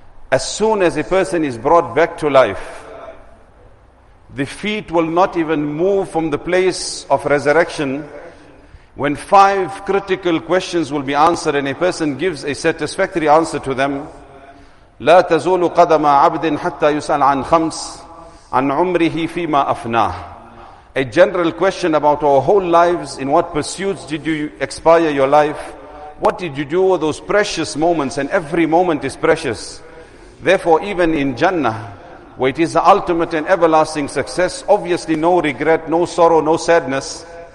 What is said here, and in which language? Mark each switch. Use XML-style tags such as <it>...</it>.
<en>As soon as a person is brought back to life, the feet will not even move from the place of resurrection, when five critical questions will be answered and a person gives a satisfactory answer to them.</en> <ar>لا تزول قدم عبد حتى يسأل عن خمس عن عمره فيما أفناه.</ar> <en>A general question about our whole lives, in what pursuits did you expire your life? What did you do with those precious moments? And every moment is precious. Therefore, even in Jannah, where it is the ultimate and everlasting success, obviously no regret, no sorrow, no sadness.</en>